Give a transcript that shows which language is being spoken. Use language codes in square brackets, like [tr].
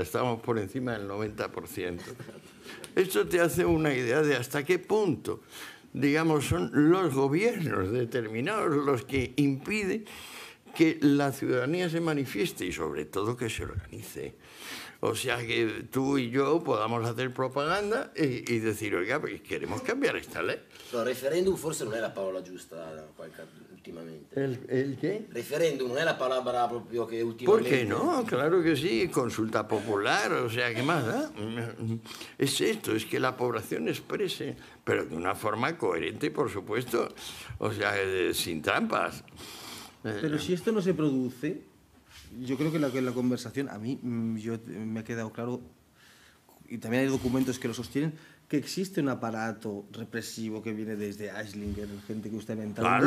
[es] Estábamos por encima del 90%. Esto te hace una idea de hasta qué punto, digamos, son los gobiernos determinados los que impiden que la ciudadanía se manifieste y, sobre todo, que se organice. O sea, que tú y yo podamos hacer propaganda y decir, oiga, pues queremos cambiar esta ley. [it] El referéndum forse non è la parola giusta ultimamente. [es] ¿El qué? [it] Referéndum non è la palabra proprio che ultimamente... [es] ¿Por qué no? Claro que sí, consulta popular, o sea, ¿qué más da? Es esto, es que la población exprese, pero de una forma coherente, por supuesto, o sea, sin trampas. Pero si esto no se produce... Yo creo que la conversación, a mí me ha quedado claro, y también hay documentos que lo sostienen, que existe un aparato represivo que viene desde Aislinger, gente que usted ha inventado,